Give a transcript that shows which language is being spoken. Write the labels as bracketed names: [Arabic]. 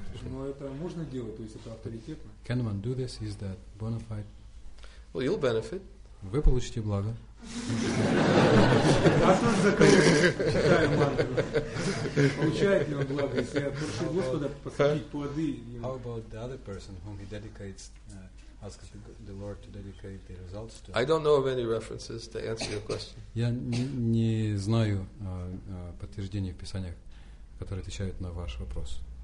[Russian] Но это можно делать, то есть это авторитетно. [English] Can one do this? Is that bona fide? Well, you'll benefit. [Russian] Вы получите благо. А тот, за кого читаем мантру, получает ли он благо, если я прошу Господа посадить плоды? [English] How about the other person, whom he dedicates, asks the Lord to dedicate the results to? I don't know of any references to answer your question. [Russian] Я не знаю подтверждений в Писаниях, которые отвечают на ваш вопрос.